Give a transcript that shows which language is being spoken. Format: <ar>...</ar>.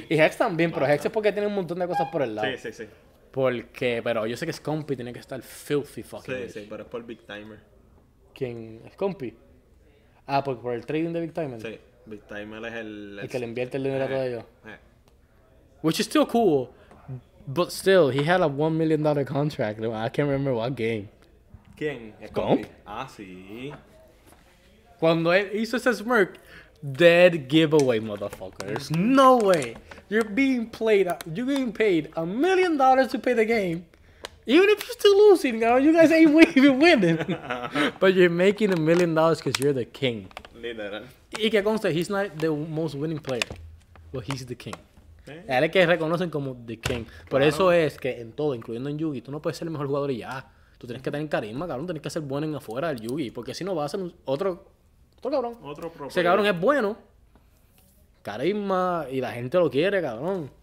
<es>Y Hex también, pero Hex es porque tiene un montón de cosas por el lado. Sí, sí, sí. Porque, pero yo sé que Scompy tiene que estar</es> <en>filthy fucking.</en> <es>Sí, sí, pero es por Big Timer. ¿Quién? ¿Scompy? Ah, por el trading de Big Timer. Sí, Big Timer es el... Y que le invierte el dinero a todo ello.</es> <en>Which is still cool, but still, he had a $1 million contract. I can't remember what game.</en> <es>¿Quién? ¿Scompy? Ah, sí. Cuando él hizo ese</es> <en>smirk... Dead giveaway, motherfuckers. No way. You're being paid $1 million to play the game. Even if you're still losing, you know, you guys ain't even winning. But you're making $1 million because you're the king.</en> <es>Literal. Y que conste,</es> <en>he's not the most winning player. But he's the king.</en> <es>¿Eh? Él es que reconocen como</es> <en>the king.</en> <es>Por claro. Eso es que en todo, incluyendo en Yugi, tú no puedes ser el mejor jugador y ya. Tú tienes que tener carisma, cabrón. Tienes que ser bueno en afuera del Yugi. Porque si no, vas a ser otro... Otro cabrón. Otro pro player. Ese cabrón es bueno. Carisma. Y la gente lo quiere, cabrón.</es>